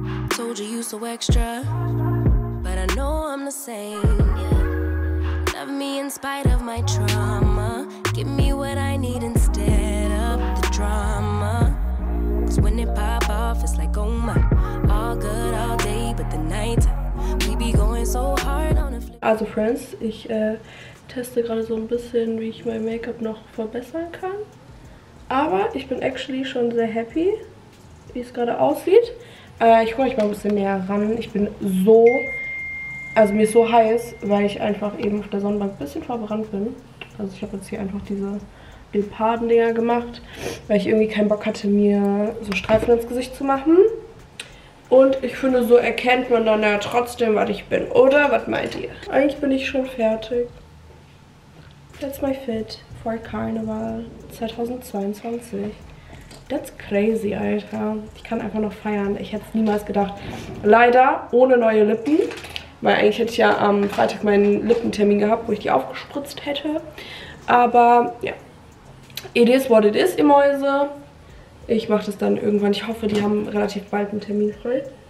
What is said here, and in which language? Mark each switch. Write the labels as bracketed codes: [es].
[en] Told you so extra, but I know I'm the same. Love me in spite of my trauma. Give me what I need instead of the drama. 'Cause when it pop off, it's like, oh my. All good all day, but the night we be going so hard on a flip. [de] Also Friends, ich teste gerade so ein bisschen, wie ich mein Make-up noch verbessern kann. Aber ich bin actually schon sehr happy, wie es gerade aussieht. Ich hole euch mal ein bisschen näher ran. Ich bin so, also mir ist so heiß, weil ich einfach eben auf der Sonnenbank ein bisschen verbrannt bin. Also ich habe jetzt hier einfach diese Leoparden-Dinger gemacht, weil ich irgendwie keinen Bock hatte, mir so Streifen ins Gesicht zu machen. Und ich finde, so erkennt man dann ja trotzdem, was ich bin, oder? Was meint ihr? Eigentlich bin ich schon fertig. [en] That's my fit for Carnival 2022. That's crazy, Alter. [de] Ich kann einfach noch feiern. Ich hätte es niemals gedacht. Leider ohne neue Lippen. Weil eigentlich hätte ich ja am Freitag meinen Lippentermin gehabt, wo ich die aufgespritzt hätte. Aber ja, [en] it is what it is, [de] ihr Mäuse. Ich mache das dann irgendwann. Ich hoffe, die haben relativ bald einen Termin frei.